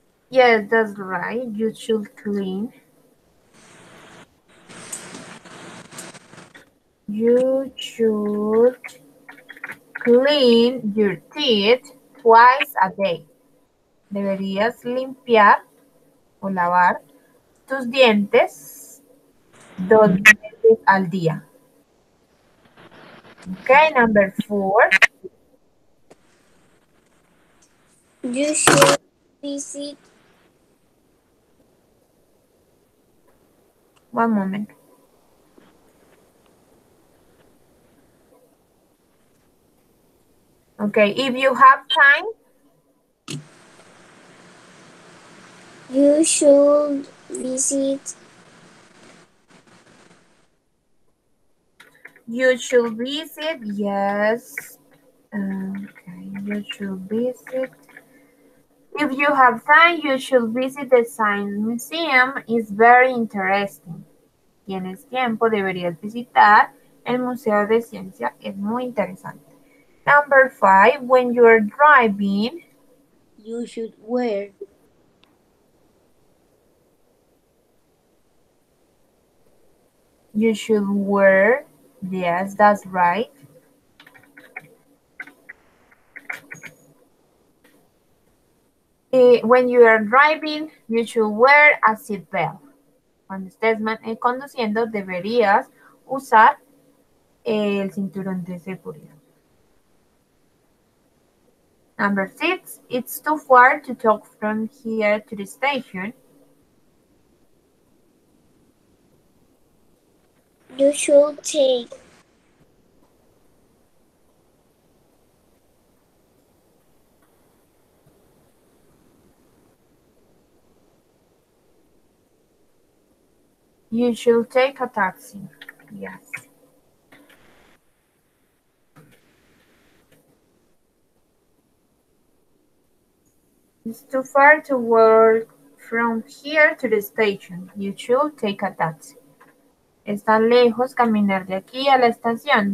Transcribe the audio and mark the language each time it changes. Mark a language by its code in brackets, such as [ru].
[en] Yes, that's right. You should clean. You should clean your teeth twice a day. [es] Deberías limpiar o lavar tus dientes dos veces al día. [en] Okay, number four. You should visit. One moment. Okay, if you have time, you should visit. You should visit, yes. Okay, you should visit. If you have time, you should visit the Science Museum. It's very interesting. [es] Tienes tiempo, deberías visitar el Museo de Ciencia. Es muy interesante. [en] Number five, when you're driving, you should wear. You should wear. Yes, that's right. When you are driving, you should wear a seatbelt. [es] Cuando estés conduciendo, deberías usar el cinturón de seguridad. [en] Number six, it's too far to talk from here to the station. You should take. You should take a taxi. Yes. It's too far to walk from here to the station. You should take a taxi. [es] Está lejos caminar de aquí a la estación.